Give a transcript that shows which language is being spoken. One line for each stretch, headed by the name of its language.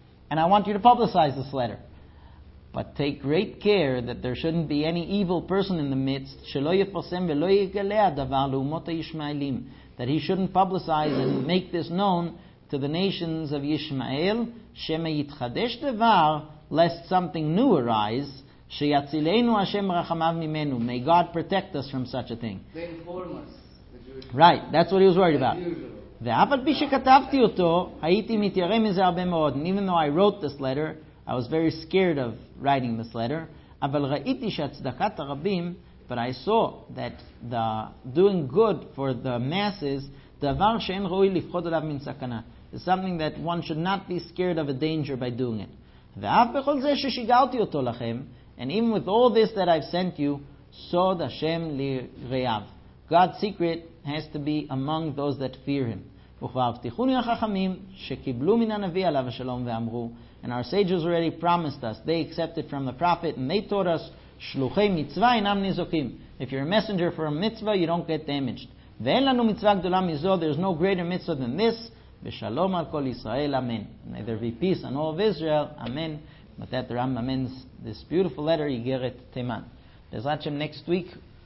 English: And I want you to publicize this letter. But take great care that there shouldn't be any evil person in the midst,
Hebrew: שלא יפרסם ולא יגלה הדבר לאומות הישמעאלים,
English: that he shouldn't publicize and make this known to the nations of Yishmael,
Hebrew: שמא יתחדש דבר,
English: lest something new arise,
Hebrew: שיצילנו השם רחמיו ממנו.
English: May God protect us from such a thing. They inform us. Right, that's what he was worried about.
Hebrew: ואף על פי שכתבתי אותו, הייתי מתיירא מזה הרבה מאוד.
English: And even though I wrote this letter, I was very scared of writing this letter.
Hebrew: אבל ראיתי שהצדקת הרבים,
English: but I saw that the doing good for the masses,
Hebrew: דבר שאין ראוי לפחות עליו מן סכנה.
English: It's something that one should not be scared of a danger by doing it.
Hebrew: ואף בכל זה ששיגרתי אותו לכם,
English: and even with all this that I've sent you,
Hebrew: סוד השם לרעיו.
English: God's secret has to be among those that fear him.
Hebrew: וכבר החכמים שקיבלו מן הנביא עליו השלום ואמרו,
English: and our sages already promised us, they accepted from the prophet, and they taught us,
Hebrew: שלוחי מצווה אינם נזוקים.
English: If you're a messenger for a mitzvah, you don't get damaged.
Hebrew: ואין לנו מצווה גדולה מזו,
English: there's no greater mitzvah than this,
Hebrew: ושלום על כל ישראל, אמן.
English: May there be peace on all of Israel, אמן. But that the Rambam ends this beautiful letter, יגרת תימן.
Hebrew: בעזרת השם,
English: next week,